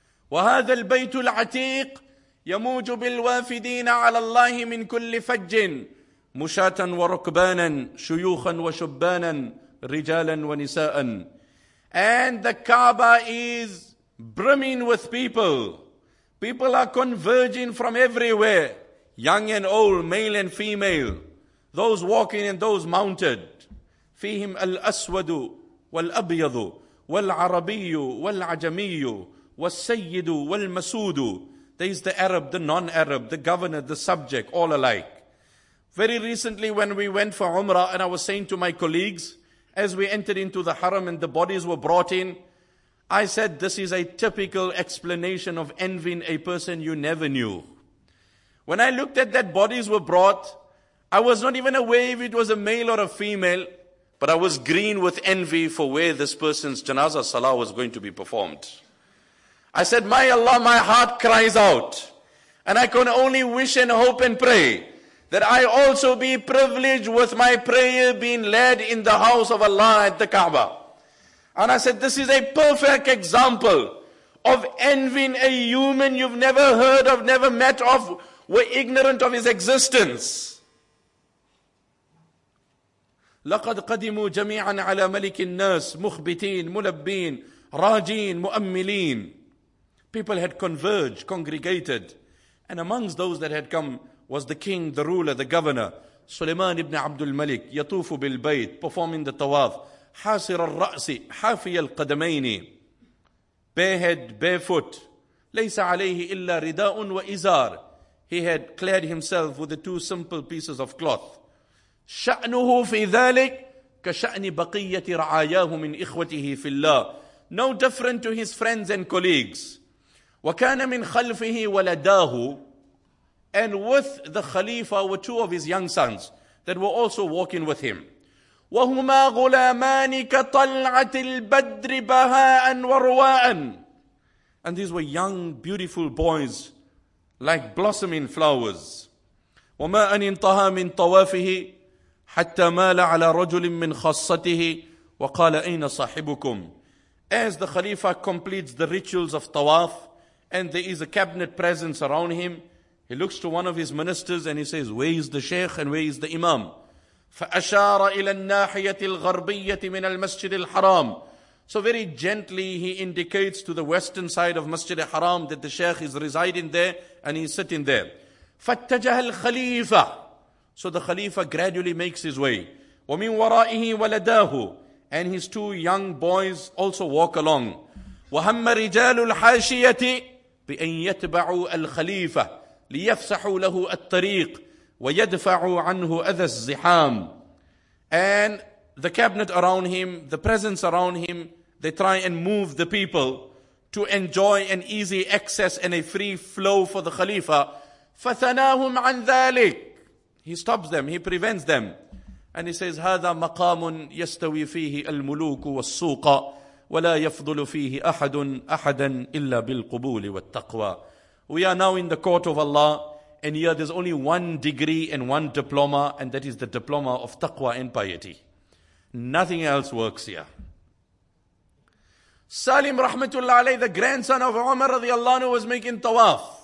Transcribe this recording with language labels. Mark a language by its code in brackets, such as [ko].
[ar] وَهَذَا الْبَيْتُ الْعَتِيقُ يَمُوجُ بِالْوَافِدِينَ عَلَى اللَّهِ مِنْ كُلِّ فَجٍّ مُشَاتًا وَرُكْبَانًا شُيُوخًا وَشُبَّانًا رِجَالًا وَنِسَاءً. [en] And the Kaaba is brimming with people. People are converging from everywhere. Young and old, male and female. Those walking and those mounted. [ar] فيهم الأسود والأبيض والعربي والعجمي والسيد والمسود. [en] There is the Arab, the non-Arab, the governor, the subject, all alike. Very recently when we went for Umrah, and I was saying to my colleagues, as we entered into the Haram and the bodies were brought in, I said, this is a typical explanation of envying a person you never knew. When I looked at that bodies were brought, I was not even aware if it was a male or a female, but I was green with envy for where this person's janazah salah was going to be performed. I said, my Allah, my heart cries out. And I can only wish and hope and pray that I also be privileged with my prayer being led in the house of Allah at the Kaaba. And I said, this is a perfect example of envying a human you've never heard of, never met of, were ignorant of his existence. [ar] لقد قدموا جميعا على ملك الناس مخبتين ملبين راجين مؤملين. [en] People had converged, congregated. And amongst those that had come was the king, the ruler, the governor. Suleiman ibn Abdul Malik, [ar] yatufu bil bayt, [en] performing the tawaf. [ar] حاصر الرأس حافي القدمين. [en] Barehead, barefoot. [ar] ليس عليه إلا رداء وإزار. [en] He had clad himself with the two simple pieces of cloth. [ar] شأنه في ذلك كشأن بقية رعاياه من إخوته في الله. [en] No different to his friends and colleagues. [ar] وكان من خلفه ولداه. [en] And with the Khalifa were two of his young sons that were also walking with him. [ar] وهما غلامان كطلعة البدر بهاء ورواء. [en] And these were young, beautiful boys like blossoming flowers. [ar] وما أن انطهى من طوافه حتى مال على رجل من خصته وقال أين صاحبكم. [en] As the Khalifa completes the rituals of tawaf and there is a cabinet presence around him, he looks to one of his ministers and he says, where is the sheikh and where is the imam? [ar] فأشار إلى الناحية الغربية من المسجد الحرام. [en] So very gently he indicates to the western side of Masjid al-Haram that the sheikh is residing there and he's sitting there. [ar] فاتجه الخليفة. [en] So the Khalifa gradually makes his way. [ar] وَمِنْ وَرَائِهِ وَلَدَاهُ. [en] And his two young boys also walk along. [ar] وَهَمَّ رِجَالُ الْحَاشِيَةِ بِأَنْ يَتْبَعُوا الْخَلِيفَةِ لِيَفْسَحُوا لَهُ الطَّرِيقِ وَيَدْفَعُ عَنْهُ أَذَى الزِّحَامِ. [en] And the cabinet around him, the presence around him, they try and move the people to enjoy an easy access and a free flow for the Khalifa. [ar] فَثَنَاهُمْ عَنْ ذَلِكَ. [en] He stops them, he prevents them. And he says, [ar] هَذَا مَقَامٌ يَسْتَوِي فِيهِ الْمُلُوكُ وَالسُّوقَ وَلَا يَفْضُلُ فِيهِ أَحَدٌ أَحَدًا إِلَّا بِالْقُبُولِ وَالتَّقْوَى. [en] We are now in the court of Allah, and here there's only one degree and one diploma, and that is the diploma of taqwa and piety. Nothing else works here. Salim rahmatullah alayhi, the grandson of Umar radiallahu anhu, was making tawaf.